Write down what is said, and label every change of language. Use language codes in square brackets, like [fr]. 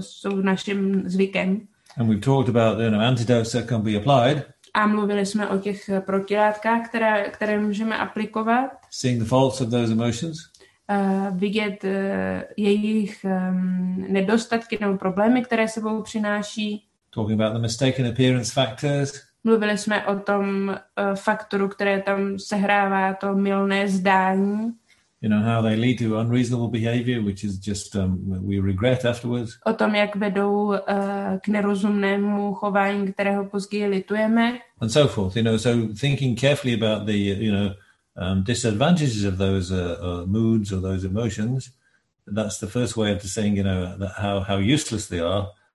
[en] And we've talked about, you know, antidotes that can be applied. [cs] A mluvili jsme o těch protilátkách, které můžeme aplikovat. [en] Seeing the faults of those emotions. [cs] Vidět jejich nedostatky nebo problémy, které sebou přináší. [en] Talking about the mistaken appearance factors. [cs] Mluvili jsme o tom faktoru, které tam sehrává, to mylné zdání. [en] You know how they lead to unreasonable behavior, which is just we regret afterwards. [cs] O tom, jak vedou k nerozumnému chování, kterého později litujeme. [en] And so forth, you know. So thinking carefully about the, you know, disadvantages of those moods or those emotions, that's the first way of saying, you know, that how useless they are.